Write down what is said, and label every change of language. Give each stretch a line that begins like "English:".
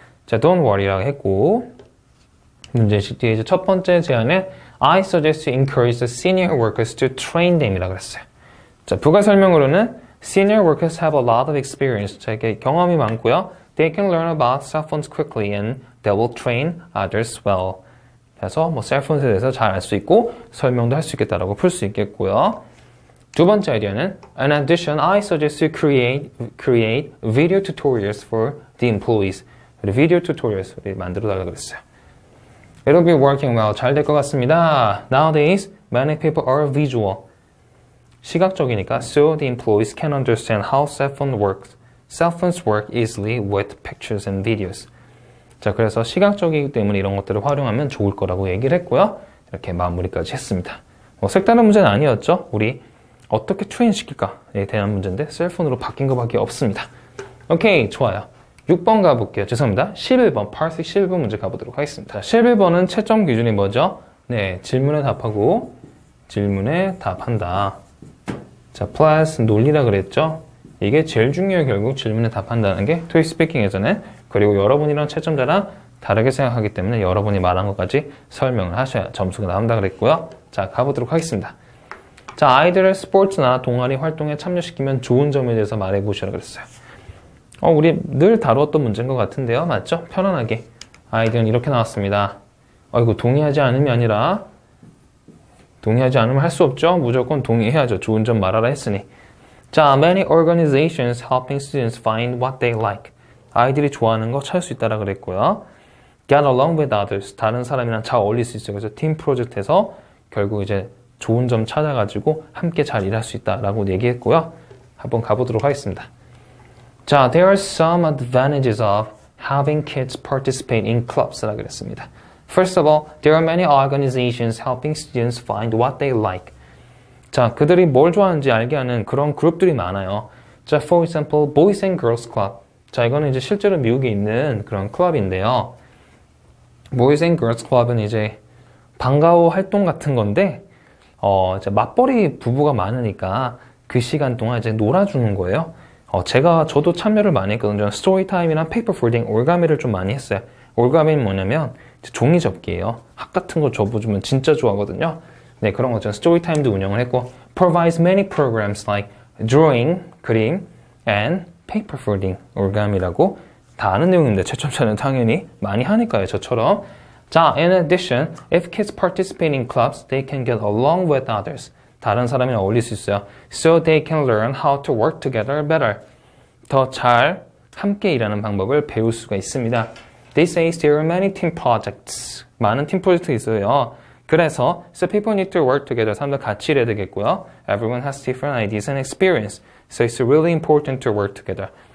English: 자, don't worry
Korean: 라고 했고, 문제인식 뒤에 이제 첫 번째 제안은
English: I suggest to encourage the senior workers to train them
Korean: 이라고 했어요.
English: 자, 부가 설명으로는 senior workers have a lot of experience.
Korean: 자, 이게 경험이 많고요.
English: They can learn about cell phones quickly and they will train others well.
Korean: 그래서 뭐 셀폰에 대해서 잘알수 있고 설명도 할수 있겠다라고 풀수 있겠고요. 두 번째 아이디어는
English: An addition, I suggest you create video tutorials for the employees.
Korean: 비디오 튜토리얼스 우리 만들어 달라고 그랬어요.
English: It'll be working well.
Korean: 잘될것 같습니다.
English: Nowadays, many people are visual.
Korean: 시각적이니까
English: So the employees can understand how cell phones work easily with pictures and videos.
Korean: 자, 그래서 시각적이기 때문에 이런 것들을 활용하면 좋을 거라고 얘기를 했고요. 이렇게 마무리까지 했습니다. 뭐 색다른 문제는 아니었죠? 우리 어떻게 트레인시킬까에 대한 문제인데 셀폰으로 바뀐 것밖에 없습니다. 오케이, 좋아요. 6번 가볼게요. 죄송합니다. 11번, 파스 11번 문제 가보도록 하겠습니다. 11번은 채점 기준이 뭐죠? 네, 질문에 답하고 질문에 답한다. 자, 플러스 논리라 그랬죠? 이게 제일 중요해요. 결국 질문에 답한다는 게 토익 스피킹에서는. 그리고 여러분이랑 채점자랑 다르게 생각하기 때문에 여러분이 말한 것까지 설명을 하셔야 점수가 나온다 그랬고요. 자, 가보도록 하겠습니다. 자, 아이들을 스포츠나 동아리 활동에 참여시키면 좋은 점에 대해서 말해보시라고 그랬어요. 우리 늘 다루었던 문제인 것 같은데요. 맞죠? 편안하게. 아이디어는 이렇게 나왔습니다. 이거 동의하지 않음이 아니라, 동의하지 않으면 할수 없죠? 무조건 동의해야죠. 좋은 점 말하라 했으니.
English: 자, many organizations helping students find what they like.
Korean: 아이들이 좋아하는 거찾을 수 있다라 그랬고요.
English: Get along with others.
Korean: 다른 사람이랑 잘 어울릴 수 있어요. 그래서 팀 프로젝트에서 결국 이제 좋은 점 찾아가지고 함께 잘 일할 수 있다라고 얘기했고요. 한번 가보도록 하겠습니다.
English: 자, there are some advantages of having kids participate in clubs
Korean: 라 그랬습니다.
English: First of all, there are many organizations helping students find what they like.
Korean: 자, 그들이 뭘 좋아하는지 알게 하는 그런 그룹들이 많아요.
English: 자, for example, Boys and Girls Club.
Korean: 자, 이거는 이제 실제로 미국에 있는 그런 클럽인데요. Boys and Girls Club은 이제 방과후 활동 같은 건데, 이제 맞벌이 부부가 많으니까 그 시간 동안 이제 놀아주는 거예요. 저도 참여를 많이 했거든요. 스토리 타임이랑 페이퍼 폴딩, 올가미를 좀 많이 했어요. 올가미는 뭐냐면 종이접기예요. 학 같은 거 접어주면 진짜 좋아하거든요. 네, 그런 것처럼 스토리 타임도 운영을 했고,
English: provides many programs like drawing,
Korean: 그림,
English: and paper folding,
Korean: 올가미라고 다 아는 내용인데 채점자는 당연히 많이 하니까요, 저처럼.
English: 자, in addition, if kids participate in clubs, they can get along with others.
Korean: 다른 사람이랑 어울릴 수 있어요.
English: So they can learn how to work together better.
Korean: 더잘 함께 일하는 방법을 배울 수가 있습니다.
English: They say there are many team projects.
Korean: 많은 팀 프로젝트 있어요. 그래서
English: so people need to work together.
Korean: 사람들 같이 일해야 되겠고요.
English: Everyone has different ideas and experience. So it's really important to work together.